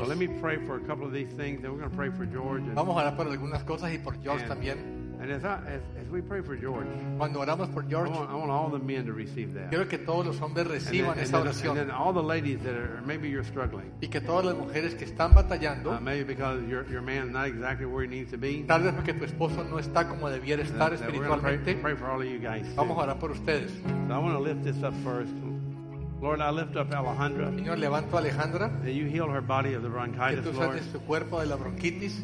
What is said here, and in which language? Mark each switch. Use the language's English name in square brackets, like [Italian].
[English] Well, let me pray for a couple of these things, then we're going to pray for George. And, [Spanish] vamos a orar por algunas cosas y por George también. [English] And as we pray for George, [Spanish] cuando oramos por George, [English] I want all the men to receive that. [Spanish] Quiero que todos los hombres reciban [English] and then, [Spanish] esa oración. [English] And then all the ladies that are, maybe you're struggling. [Spanish] Y que todas las mujeres que están batallando. [English] Maybe because your man is not exactly where he needs to be. [Spanish] Tal vez porque tu esposo no está como debiera estar espiritualmente. [English] We're going to pray for all of you guys. [Spanish] Vamos a orar por ustedes. [English] So I want to lift this up first. Lord, I lift up Alejandra. [Spanish] Señor, levanto a Alejandra. [English] That you heal her body of the bronchitis, [Spanish] que tú [English] Lord. [Spanish] Su cuerpo de la bronquitis.